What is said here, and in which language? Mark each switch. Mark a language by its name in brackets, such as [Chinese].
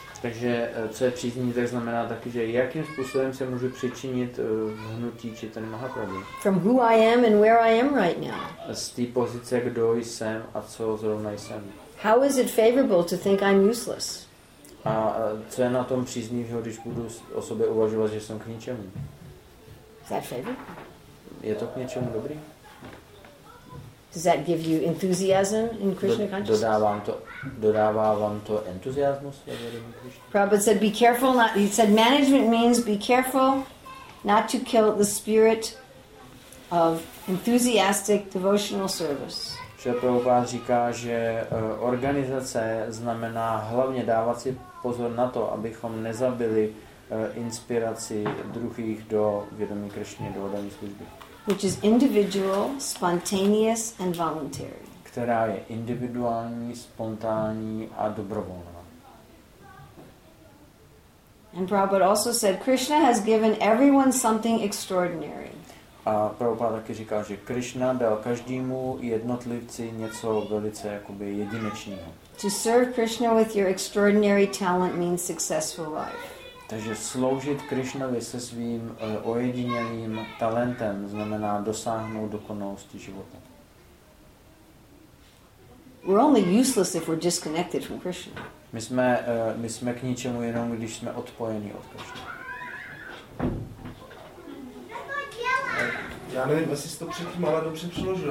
[Czech] Takže co je příznivý, tak znamená taky, že jakým způsobem se můžu přičinit v hnutí Chaitanya Mahaprabhu. [English] From who I am and where I am right now. [Czech] Z té pozice, kdo jsem a co zrovna jsem. [English] How is it favorable to think I'm useless? [Czech] A co je na tom příznivého, když budu o sobě uvažovat, že jsem k ničemu? Je to k něčemu dobrý? [English] Does that give you enthusiasm in Krishna [Czech] consciousness? Dodává vám to entuziasmus? [English] Prabhupada said, "Be careful not." He said, "Management means be careful not to kill the spirit of enthusiastic devotional service." [Czech] Že Prabhupada říká, že organizace znamená hlavně dávat si pozor na to, abychom nezabili inspiraci druhých do vědomí Krishny, do vědomí služby. [English] Which is individual, spontaneous and voluntary. [Czech] Která je individuální, spontánní a dobrovolná. [English] And Prabhupada also said Krishna has given everyone something extraordinary. [Czech] A Prabhupada taky říká, že Krishna dal každému jednotlivci něco velice jakoby jedinečného. [English] To serve Krishna with your extraordinary talent means successful life. [Czech] Takže sloužit Krišnovi se svým ojedinělým talentem znamená dosáhnout dokonalosti života. [English] We're only useless if we're disconnected from Krishna. [Czech] My jsme k ničemu jenom, když jsme odpojení od Krišny. Já nevím, jestli jsi to předtím ale dobře přeložil.